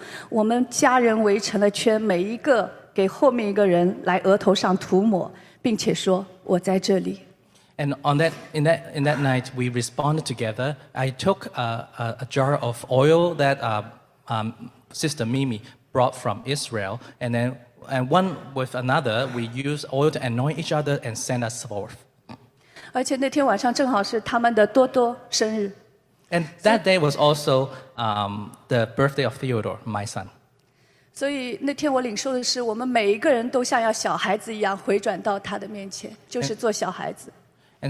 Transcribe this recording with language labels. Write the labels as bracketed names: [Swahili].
[Chinese] 所以那天晚上，我马上说：“咪咪姐送给我一瓶从以色列带来的精油。”我们家人围成了圈，每一个。给后面一个人来额头上涂抹，并且说我在这里。 [English] And on that night, we responded together. I took a jar of oil that Sister Mimi brought from Israel, and then and one with another, we used oil to anoint each other and send us forth. [Chinese] 而且那天晚上正好是他们的多多生日。 [English] And that day was also the birthday of Theodore, my son. [Chinese] 所以那天我领受的是，我们每一个人都像要小孩子一样回转到他的面前，就是做小孩子。 [English] And